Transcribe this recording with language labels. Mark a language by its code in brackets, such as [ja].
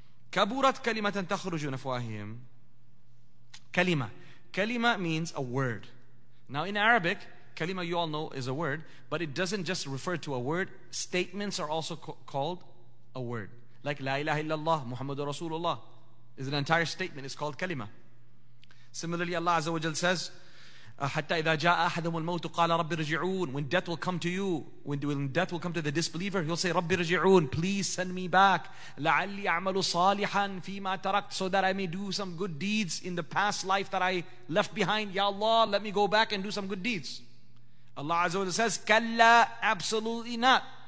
[ar] كَبُورَتْ كَلِمَةً تَخْرُجُ نَفْوَاهِهِمْ. [en] Kalima. Kalima means a word. Now in Arabic, kalima, you all know, is a word, but it doesn't just refer to a word. Statements are also called a word. Like La ilaha illallah, Muhammadur Rasulullah, is an entire statement. It's called kalima. Similarly, Allah Azza wa Jal says, [ar] حتى إذا جاء أحدهم الموت قال ربي رجعون. [en] When death will come to you, when death will come to the disbeliever, he'll say, [ar] ربي رجعون, [en] please send me back. [ar] لعلي أعمل صالحا فيما تركت, [en] so that I may do some good deeds in the past life that I left behind. Ya Allah, let me go back and do some good deeds. Allah Azza wa Jalla says, "Kalla, absolutely not.